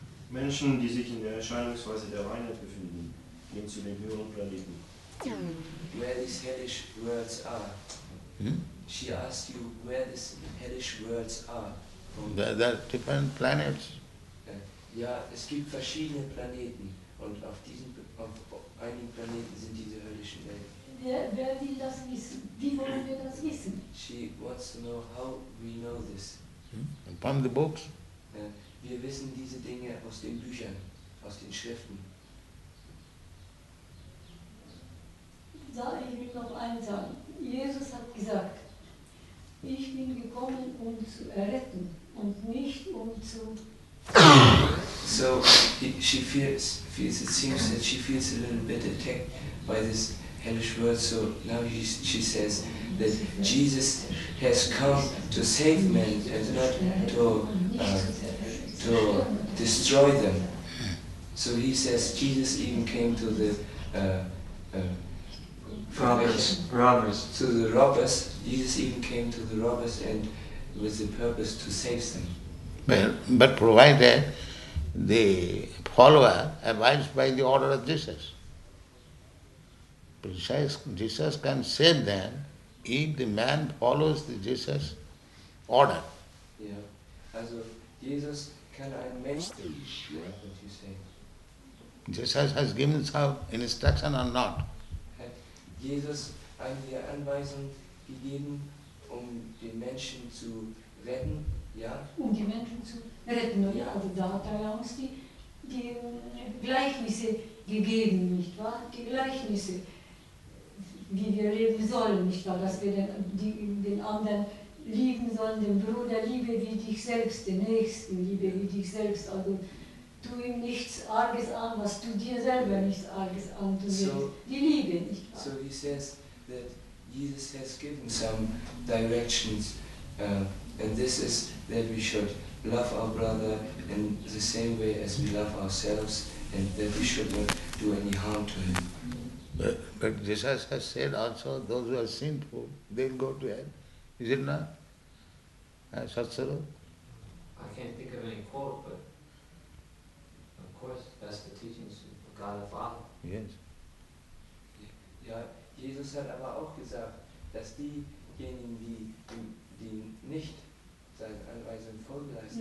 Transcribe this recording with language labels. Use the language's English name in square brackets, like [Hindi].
[German] Menschen, die sich in der Erscheinungsweise der Reinheit befinden, gehen zu den höheren Planeten. [English] Where these hellish worlds are? She asked you where these hellish worlds are. There are different planets. [German] Ja, es gibt verschiedene Planeten und auf diesen auf einigen Planeten sind diese höllischen Welten. Wer will das wissen? Wie wollen wir das wissen? [English] She wants to know how we know this. From the books. [German] Wir wissen diese Dinge aus den Büchern, aus den Schriften. Ich will noch eins sagen. Jesus hat gesagt, ich bin gekommen, um zu erretten und nicht um zu... [English] So, she feels, it seems that she feels a little bit attacked by this hellish word, so now she says that Jesus has come to save men and not to... to destroy them. So he says Jesus even came to the robbers. To the robbers, Jesus even came to the robbers and with the purpose to save them. Well, but provided the follower abides by the order of Jesus. Jesus can save them if the man follows the Jesus order. Yeah. As of Jesus, can I make the what you say? Jesus has given some instruction or not? [German] Jesus, an die Anweisung gegeben, die Menschen zu retten, ja? Die Menschen zu retten, ja? Also da hat er uns die Gleichnisse gegeben, nicht wahr? Die Gleichnisse, wie wir leben sollen, nicht wahr? Dass wir den anderen lieben sollen, den Bruder, liebe wie dich selbst, den Nächsten, liebe wie dich selbst. Also, tu ihm nichts Arges an, was du dir selber nichts Arges antust. So, die Liebe, nicht wahr? [English] So he says that Jesus has given some directions, and this is that we should love our brother in the same way as we love ourselves, and that we should not do any harm to him. But Jesus has said also, those who are sinful, they'll go to hell. Is it not? Satsaro? I can't think of any quote, but of course that's the teachings of God the Father. Yes. [German] Ja, Jesus hat aber auch gesagt, dass diejenigen, die nicht seine Anweisungen folgen lassen,